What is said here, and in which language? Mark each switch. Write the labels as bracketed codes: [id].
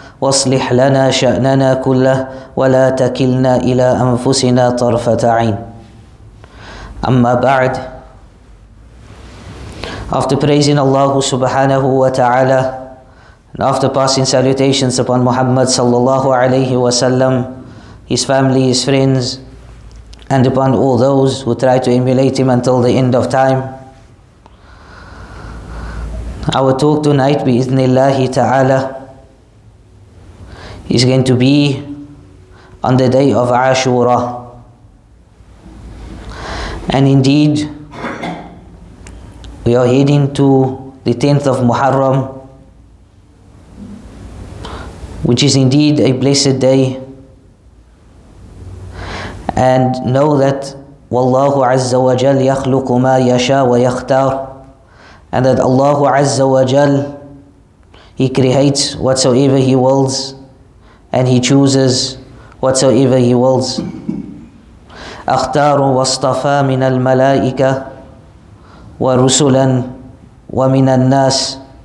[ar] واصلح لنا شأننا كله ولا تكلنا إلى أنفسنا طرفة عين. أما بعد. [en] After praising Allah subhanahu wa ta'ala and after passing salutations upon Muhammad sallallahu alayhi wa sallam, his family, his friends, and upon all those who try to emulate him until the end of time, our talk tonight bi'idhnillahi ta'ala is going to be on the day of Ashura. And indeed, we are heading to the 10th of Muharram, which is indeed a blessed day. And know that Wallahu Azza wa Jal yakhluqu ma yasha wa yakhtar, and that Allahu Azza wa Jal, He creates whatsoever He wills, and He chooses whatsoever He wills. [ar] أختار واصطفى من الملائكة ورسلا ومن الناس.